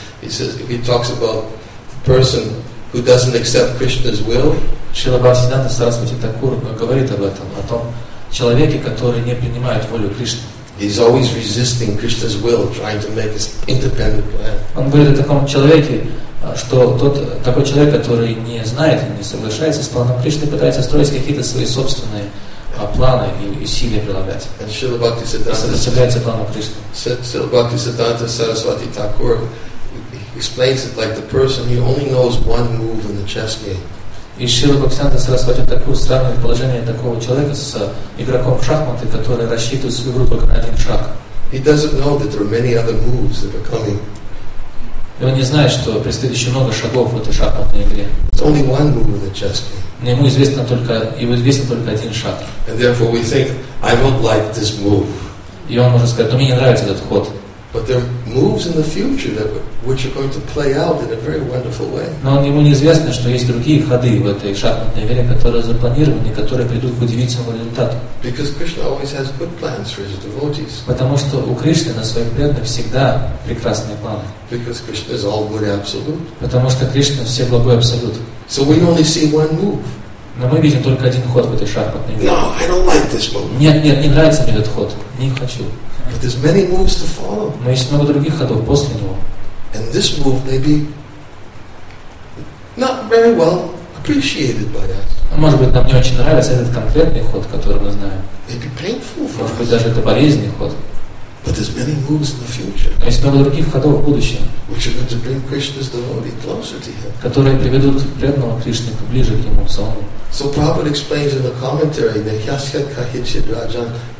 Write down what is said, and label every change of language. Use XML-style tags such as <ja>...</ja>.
<en>He says, if he talks about the person who doesn't accept Krishna's will,</en> <ru>Srila Bhaktisiddhanta Saraswati Thakur говорит об этом, о том человеке, который не принимает волю Кришны.</ru> <en>He's always resisting Krishna's will, trying to make his independent plan.</en> <ru>Он говорит о таком человеке, что тот такой человек, который не знает и не соглашается с планом Кришны, пытается строить какие-то свои собственные планы и усилия прилагать. И сопротивляется плану Кришны.</ru> <en>Srila Bhaktisiddhanta Saraswati Thakur explains it like the person who only knows one move in the chess game.</en> <ru>И Srila Bhaktisiddhanta Saraswati Thakur сравнивает положение такого человека с игроком в шахматы, который рассчитывает свою игру только на один шаг.</ru> <en>He doesn't know that there are many other moves that are coming.</en> <ru>И он не знает, что предстоит еще много шагов в этой шахматной игре.</ru> <en>It's only one move in the chess game.</en> <ru>Но ему известно только, один шаг.</ru> <en>And therefore we think, I don't like this move.</en> <ru>И он может сказать, мне не нравится этот ход.</ru> <en>But there are moves in the future that which are going to play out in a very wonderful way.</en> <ru>Но ему неизвестно, что есть другие ходы в этой шахматной игре, которые запланированы, которые придут к удивительному результату.</ru> <en>Because Krishna always has good plans for his devotees.</en> <ru>Потому что у Кришны на своих преданных всегда прекрасные планы.</ru> <en>Because Krishna is all good absolute.</en> <ru>Потому что Кришна все благой абсолют.</ru> <en>So we only see one move.</en> <ru>Но мы видим только один ход в этой шахматной игре.</ru> <en>No, I don't like this move.</en> <ru>Нет, не нравится мне этот ход. Не хочу.</ru> <en>But there's many moves to follow.</en> <ru>Но есть много других ходов после него.</ru> <en>And this move may be not very well appreciated by us.</en> <ru>Может быть, нам не очень нравится этот конкретный ход, который мы знаем.</ru> <en>Maybe painful for us.</en> <ru>Может быть, даже это болезненный ход.</ru> <en>But there's many moves in the future.</en> <ru>Но есть много других ходов в будущем.</ru> <en>Which are going to bring Krishna's devotee closer to him.</en> <ru>Которые приведут преданного Кришны ближе к нему самому.</ru> <en>So Prabhupada explains in the commentary that Yasya Kahichid Rajan.</en>